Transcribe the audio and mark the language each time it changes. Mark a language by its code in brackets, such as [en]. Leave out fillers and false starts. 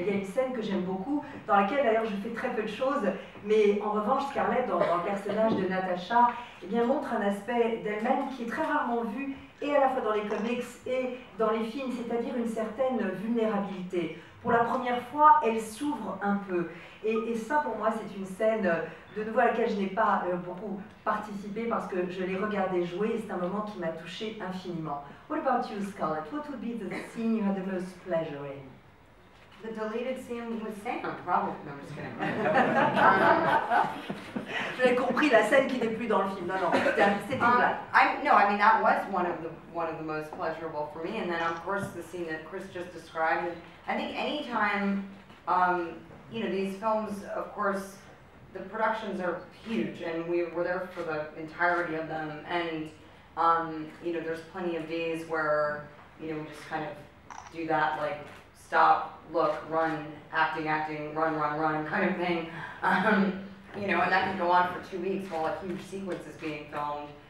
[fr] Il y a une scène que j'aime beaucoup, dans laquelle d'ailleurs je fais très peu de choses, mais en revanche, Scarlett, dans le personnage de Natasha, eh bien, montre un aspect d'elle-même qui est très rarement vu, et à la fois dans les comics et dans les films, c'est-à-dire une certaine vulnérabilité. Pour la première fois, elle s'ouvre un peu. Et ça, pour moi, c'est une scène, de nouveau, à laquelle je n'ai pas beaucoup participé parce que je l'ai regardée jouer et c'est un moment qui m'a touchée infiniment. [en] What about you, Scarlett? What would be the scene you had the most pleasure in? The deleted scene with Sam, probably. No, I'm just kidding. [fr] J'ai compris la scène qui n'est plus dans le film. Non, non, c'était une blague. [en] No, I mean, that was one of the most pleasurable for me. And then, of course, the scene that Chris just described. I think any time, you know, these films, of course, the productions are huge, and we were there for the entirety of them, and, you know, there's plenty of days where, you know, we just kind of do that, like, stop, look, run, acting, run, kind of thing, you know, and that can go on for 2 weeks while a huge sequence is being filmed.